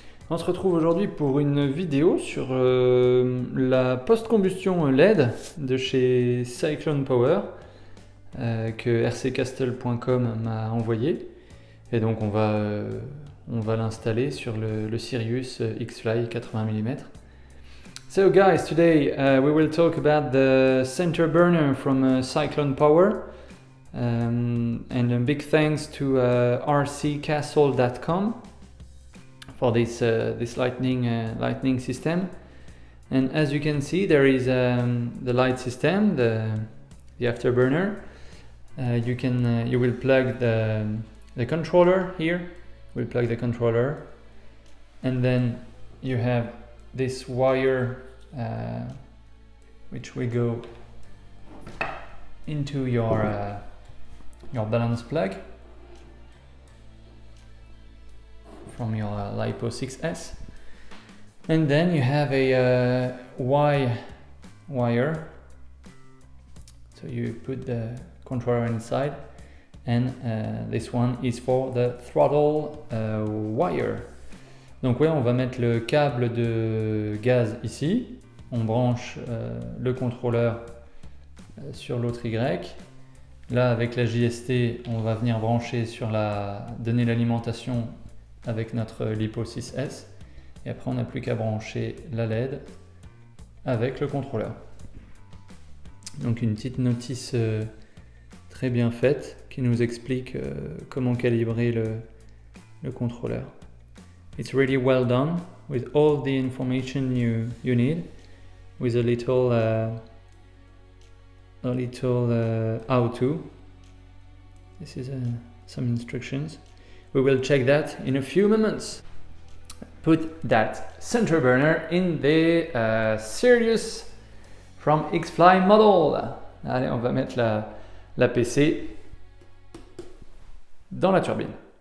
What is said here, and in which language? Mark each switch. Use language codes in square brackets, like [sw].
[fr] On se retrouve aujourd'hui pour une vidéo sur la post-combustion LED de chez Cyclone Power que rccastle.com m'a envoyé. Et donc on va l'installer sur le Sirius XFly 80 mm. [en] So guys, today we will talk about the CenterBurner from Cyclone Power. And a big thanks to rccastle.com for this lightning system. And as you can see, there is the light system, the afterburner. You will plug the controller here. We'll plug the controller, and then you have this wire which will go into your balance plug from your LiPo 6S, and then you have a Y wire, so you put the controller inside, and this one is for the throttle wire. [fr] Donc ouais, on va mettre le câble de gaz ici, on branche le contrôleur sur l'autre Y. Là, avec la JST, on va venir brancher sur la... donner l'alimentation avec notre LiPo 6S. Et après, on n'a plus qu'à brancher la LED avec le contrôleur. Donc, une petite notice très bien faite qui nous explique comment calibrer le contrôleur. [en] It's really well done with all the information you need, with a little how-to. This is some instructions. We will check that in a few moments. Put that CenterBurner in the Sirius from XFly model. [fr] Allez, on va mettre la PC dans la turbine.